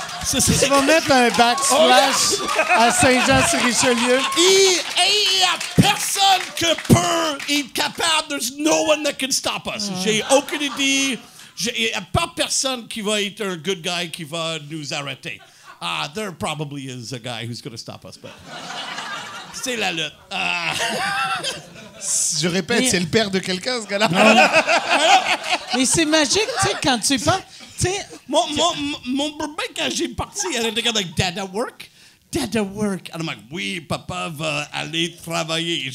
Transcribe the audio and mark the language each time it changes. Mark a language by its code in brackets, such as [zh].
[fr] Tu vas mettre un backsplash à Saint-Jean-sur-Richelieu. Il n'y a personne qui peut être capable. [en] There's no one that can stop us. [fr] J'ai aucune idée. Il n'y a pas personne qui va être un [en] good guy [fr] qui va nous arrêter. [en] There probably is a guy who's going to stop us, but... [fr] C'est la lutte. Je répète, mais... c'est le père de quelqu'un, ce gars-là. Mais c'est magique, tu sais, quand tu vas... Mon bébé, quand j'ai parti, il était comme, [en] like, dad at work? Dad at work. And I'm like, [fr] oui, papa va aller travailler.